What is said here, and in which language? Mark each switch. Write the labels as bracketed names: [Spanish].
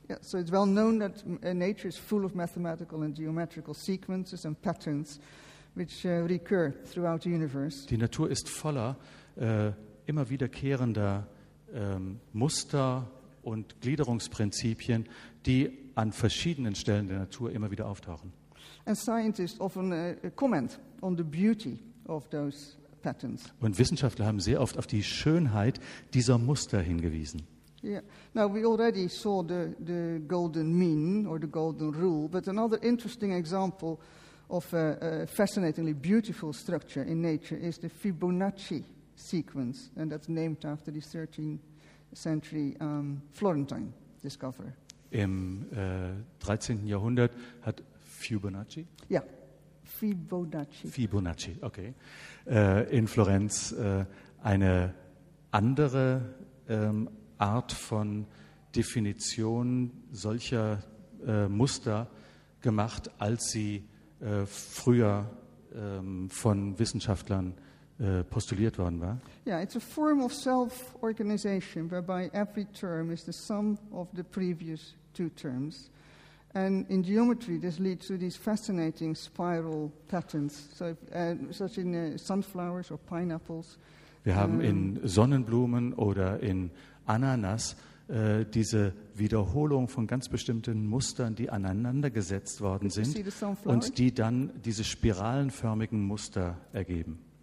[English] Yeah, so it's well known that nature is full of mathematical and geometrical sequences and patterns which recur throughout the universe. [German] Die Natur ist voller immer wiederkehrender Muster und Gliederungsprinzipien, die an verschiedenen Stellen der Natur immer wieder auftauchen. [English] And scientists often comment on the beauty of those patterns. [German] Und Wissenschaftler haben sehr oft auf die Schönheit dieser Muster hingewiesen. [English] Yeah. Now we already saw the golden mean or the golden rule, but another interesting example of a fascinatingly beautiful structure in nature is the Fibonacci sequence, and that's named after the 13th century Florentine discoverer. [German] Im 13. Jahrhundert hat Fibonacci? Ja, Fibonacci. Fibonacci, okay. In Florenz eine andere Art von Definition solcher Muster gemacht, als sie früher von Wissenschaftlern postuliert worden war. [English] Yeah, it's a form of self-organization whereby every term is the sum of the previous two terms. And in geometry, this leads to these fascinating spiral patterns, such in sunflowers or pineapples. [German] Wir haben in Sonnenblumen oder in Ananas diese Wiederholung von ganz bestimmten Mustern, die aneinandergesetzt worden sind und die dann diese spiralenförmigen Muster ergeben.